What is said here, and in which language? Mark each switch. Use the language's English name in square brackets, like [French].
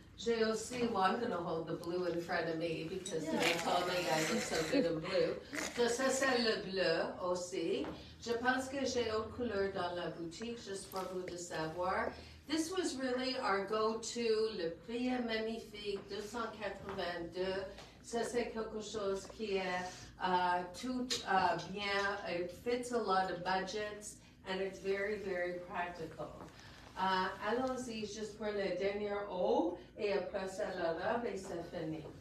[French] J'ai aussi, [English] well, I'm going to hold the blue in front of me because yeah. they told me I look so good in blue. [French] So ça, c'est le bleu aussi. Je pense que j'ai autre couleur dans la boutique, juste pour vous de savoir. [English] This was really our go-to, [French] le prix est magnifique, [English] 282. [French] Ça, c'est quelque chose qui est tout bien. [English] It fits a lot of budgets, and it's very, very practical. [French] Allons-y, juste pour le dernier haut, et après ça, la robe, et c'est fini.